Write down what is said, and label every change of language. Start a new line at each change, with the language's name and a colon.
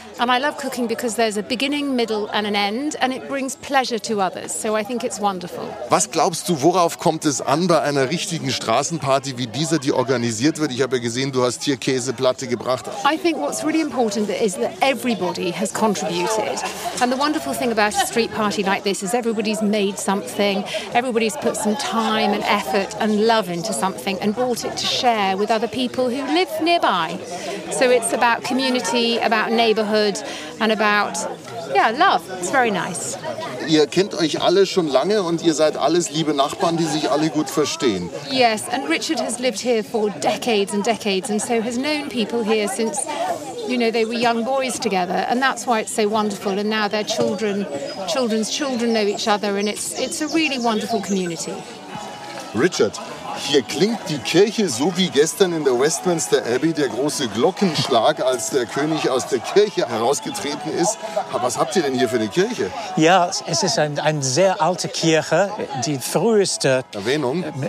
English: And I love cooking because there's a beginning, middle and an end. And it brings pleasure to others. So I think it's wonderful.
German: Was glaubst du, worauf kommt es an bei einer richtigen Straßenparty wie dieser, die organisiert wird? Ich habe ja gesehen, du hast hier Käseplatte gebracht.
English: I think what's really important is that everybody has contributed. And the wonderful thing about a street party like this is everybody's made something. Everybody's put some time and effort and love into something and brought it to share with other people who live nearby. So it's about community, about neighborhood and about, yeah, love. It's very nice.
German: Ihr kennt euch alle schon lange und ihr seid alles liebe Nachbarn, die sich alle gut verstehen.
English: Yes, and Richard has lived here for decades and decades and so has known people here since, you know, they were young boys together. And that's why it's so wonderful. And now their children, children's children know each other and it's a really wonderful community.
German: Richard, hier klingt die Kirche so wie gestern in der Westminster Abbey, der große Glockenschlag, als der König aus der Kirche herausgetreten ist. Aber was habt ihr denn hier für eine Kirche? Ja, es ist eine sehr alte Kirche. Die früheste Erwähnung